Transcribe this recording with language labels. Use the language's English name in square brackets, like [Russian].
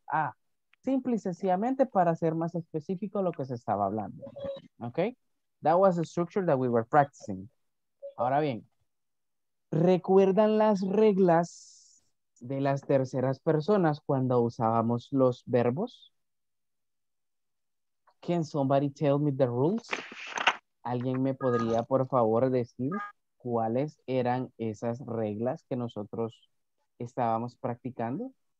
[Spanish] Ah, simple y sencillamente para ser más específico lo que se estaba hablando. [English] Okay? That was the structure that we were practicing. [Spanish] Ahora bien, ¿recuerdan las reglas de las terceras personas cuando usábamos los verbos? [English] Can somebody tell me the rules? [Spanish] ¿Alguien me podría, por favor, decir cuáles eran esas reglas que nosotros estábamos practicando?